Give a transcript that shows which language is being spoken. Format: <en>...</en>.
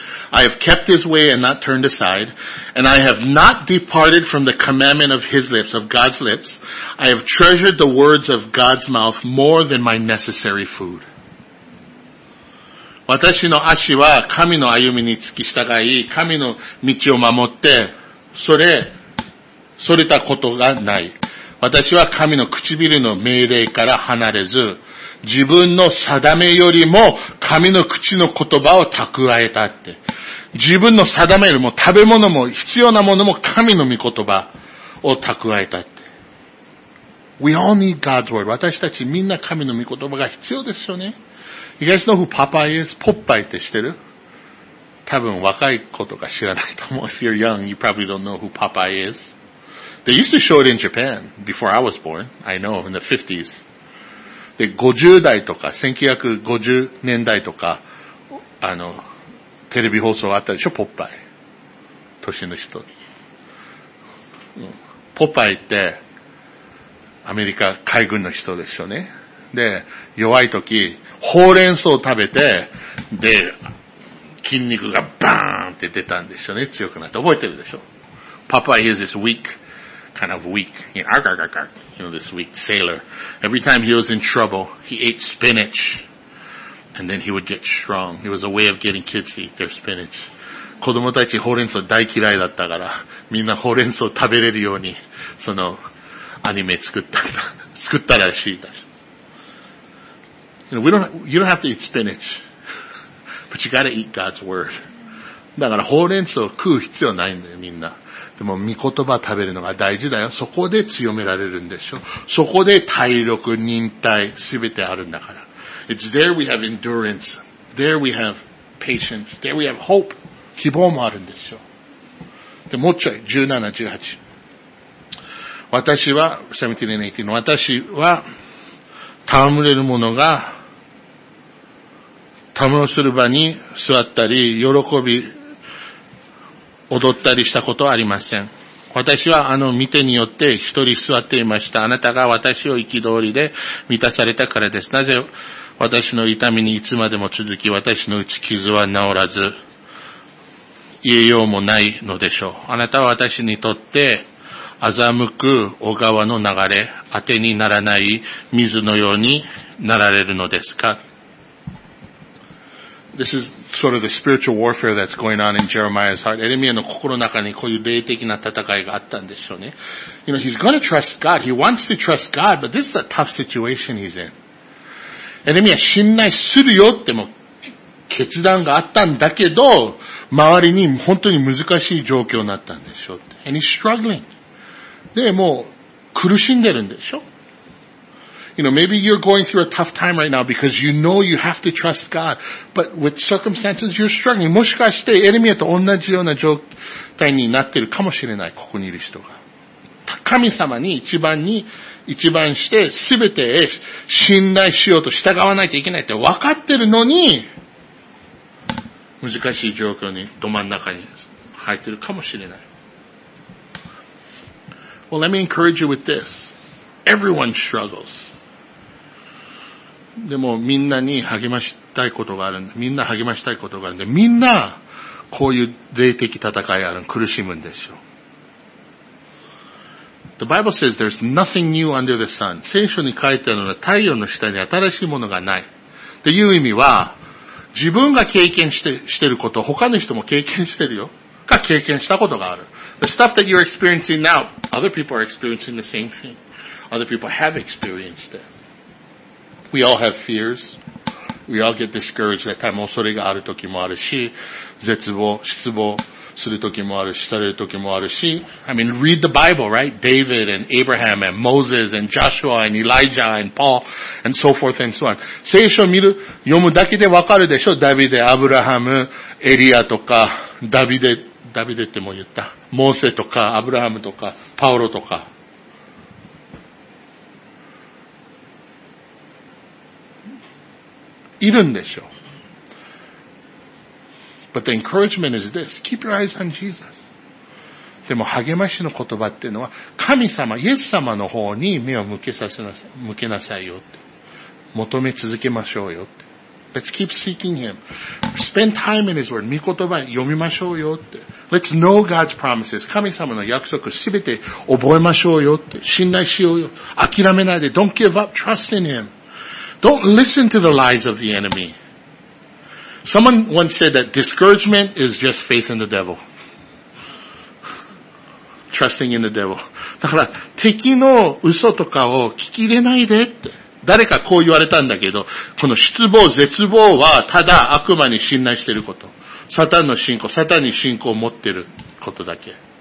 <en>I have kept his way and not turned aside. And I have not departed from the commandment of his lips, of God's lips. I have treasured the words of God's mouth more than my necessary food.</en> <ja>私の足は神の歩みにつき従い、神の道を守って、それたことがない。私は神の唇の命令から離れず、自分の定めよりも神の口の言葉を蓄えたって。自分の定めよりも食べ物も必要なものも神の御言葉を蓄えたって。</ja> <en>We all need God's word.</en> <ja>私たちみんな神の御言葉が必要ですよね。</ja> <en>You guys know who Papa is?</en> <ja>ポッパイって知ってる？多分若い子とか知らないと思う。</ja> <en>If you're young, you probably don't know who Papa is. They used to show it in Japan before I was born. I know, in the 50s.</en> <ja>で、50代とか、1950年代とか、テレビ放送あったでしょ、ポッパイ。年の人。ポッパイって、アメリカ海軍の人でしょね。で、弱い時、ほうれん草を食べて、で、筋肉がバーンって出たんでしょね、強くなって。覚えてるでしょ。</ja> <en>パパイ is this weak. Kind of weak, this weak sailor. Every time he was in trouble, he ate spinach, and then he would get strong. It was a way of getting kids to eat their spinach.</en> <ja>子供たちほうれん草大嫌いだったから、みんなほうれん草食べれるようにそのアニメ作ったらしいだし。</ja> <en>You don't have to eat spinach, but you got to eat God's word.</en> <ja>だからほうれん草を食う必要ないんだよみんな。でも御言葉食べるのが大事だよ。そこで強められるんでしょ。そこで体力、忍耐、すべてあるんだから。</ja> <en>It's there we have endurance. There we have patience. There we have hope.</en> <ja>希望もあるんでしょ。で、もうちょい、17、18。私は、17、18の、私は、戯れるものが、たむろする場に座ったり、喜び、踊ったりしたことはありません。私は見てによって一人座っていました。あなたが私を憤りで満たされたからです。なぜ私の痛みにいつまでも続き、私の内傷は治らず、言えようもないのでしょう。あなたは私にとって、欺く小川の流れ、当てにならない水のようになられるのですか？</ja> <en>This is sort of the spiritual warfare that's going on in Jeremiah's heart.</en> <ja>エレミアの心の中にこういう霊的な戦いがあったんでしょうね。</ja> <en>You know, he's gonna trust God. He wants to trust God, but this is a tough situation he's in.</en> <ja>エレミア信頼するよっても決断があったんだけど、周りに本当に難しい状況になったんでしょう。</ja> <en>And he's struggling.</en> <ja>で、もう苦しんでるんでしょ。</ja> <en>You know, maybe you're going through a tough time right now because you know you have to trust God. But with circumstances, you're struggling.</en> <ja>もしかしてエレミアと同じような状態になっているかもしれない。ここにいる人が。神様に一番して全て信頼しようと従わないといけないって分かってるのに、難しい状況にど真ん中に入っているかもしれない。</ja> <en>Well, let me encourage you with this. Everyone struggles.</en> <ja>でもみんなに励ましたいことがあるんで、みんな励ましたいことがあるんで、みんなこういう霊的戦いあるん、苦しむんでしょう。</ja> <en>The Bible says there's nothing new under the sun.</en> <ja>聖書に書いてあるのは太陽の下に新しいものがない。っていう意味は、自分が経験してること、他の人も経験してるよ。が経験したことがある。</ja> <en>The stuff that you're experiencing now, other people are experiencing the same thing. other people have experienced it. We all have fears. We all get discouraged at times.</en> <ja>それがある時もあるし、絶望、失望する時もあるし、される時もあるし。</ja> <en>I mean, read the Bible, right? David and Abraham and Moses and Joshua and Elijah and Paul and so forth and so on.</en> <ja>聖書を見る、読むだけでわかるでしょ？ダビデ、アブラハム、エリアとか、ダビデっても言った。モーセとか、アブラハムとか、パウロとか。いるんでしょう。</ja> <en>But the encouragement is this. Keep your eyes on Jesus.</en> <ja>でも励ましの言葉っていうのは、神様、イエス様の方に目を向けなさいよって。求め続けましょうよって。</ja> <en>Let's keep seeking Him. Spend time in His Word.</en> <ja>御言葉読みましょうよって。</ja> <en>Let's know God's promises.</en> <ja>神様の約束すべて覚えましょうよって。信頼しようよ。諦めないで。</ja> <en>Don't give up. Trust in Him. Don't listen to the lies of the enemy. Someone once said that discouragement is just faith in the devil. Trusting in the devil.</en> <ja>だから敵の嘘とかを聞き入れないでって。誰かこう言われたんだけど、この失望、絶望はただ悪魔に信頼していること。サタンの信仰、サタンに信仰を持っていることだけ。</ja>